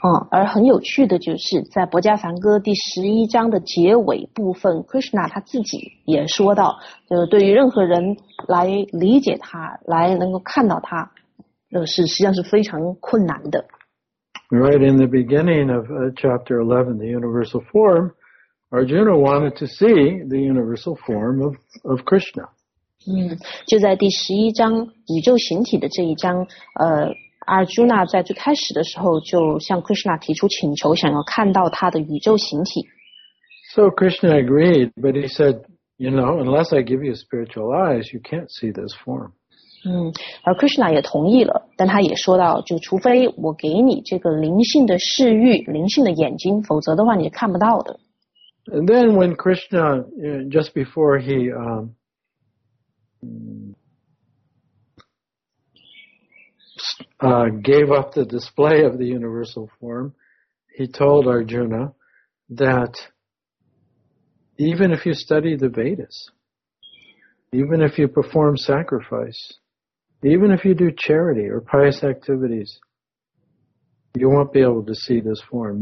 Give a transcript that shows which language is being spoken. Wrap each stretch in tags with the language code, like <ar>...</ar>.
<zh>而很有趣的就是在薄伽梵歌第十一章的结尾部分， Krishna 他自己也说到，就是对于任何人来理解他，来能够看到他，是实际上是非常困难的。</zh> <en>Right in the beginning of chapter 11, the universal form, Arjuna wanted to see the universal form of Krishna.</en> <zh>就在第十一章宇宙形体的这一章，Arjuna 在最开始的时候就向 Krishna 提出请求，想要看到他的宇宙形体。</zh> <en>So Krishna agreed, but he said, you know, unless I give you spiritual eyes, you can't see this form.</en> <zh>而 Krishna 也同意了，但他也说到，就除非我给你这个灵性的视域，灵性的眼睛，否则的话你看不到的。</zh> <en>And then when Krishna, just before he, gave up the display of the universal form, he told Arjuna that even if you study the Vedas, even if you perform sacrifice,Even if you do charity or pious activities, you won't be able to see this form.</en>